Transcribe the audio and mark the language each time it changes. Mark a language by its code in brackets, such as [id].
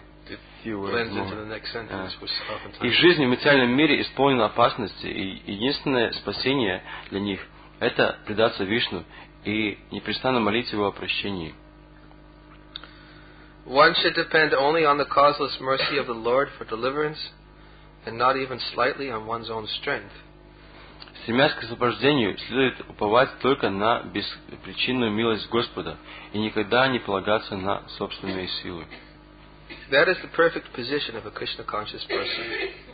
[ru] Их жизнь в материальном мире исполнена опасности, и единственное спасение для них — это предаться Вишну и непрестанно молить Его о прощении. [en] One should depend only on the causeless mercy of the Lord for deliverance, and not even slightly on one's own strength. [ru] Стремясь к освобождению, следует уповать только на беспричинную милость Господа и никогда не полагаться на собственные силы. [en] That is the perfect position of a Krishna-conscious person.